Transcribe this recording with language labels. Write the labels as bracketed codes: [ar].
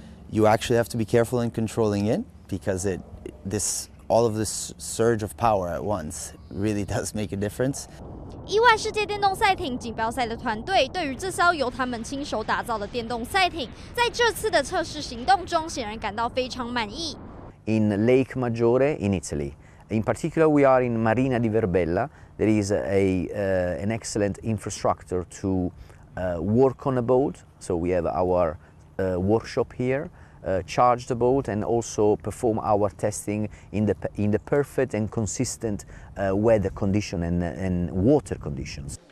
[en] You actually have to be careful in controlling it because all of this surge of power at once really does make a difference. [zh] 意外世界电动赛艇锦标赛的团队对于这艘由他们亲手打造的电动赛艇，在这次的测试行动中显然感到非常满意。 [en] In Lake Maggiore in Italy, in particular, we are in Marina di Verbella. There is an excellent infrastructure to work on a boat. So we have our workshop here. Charge the boat and also perform our testing in the perfect and consistent weather condition and water conditions.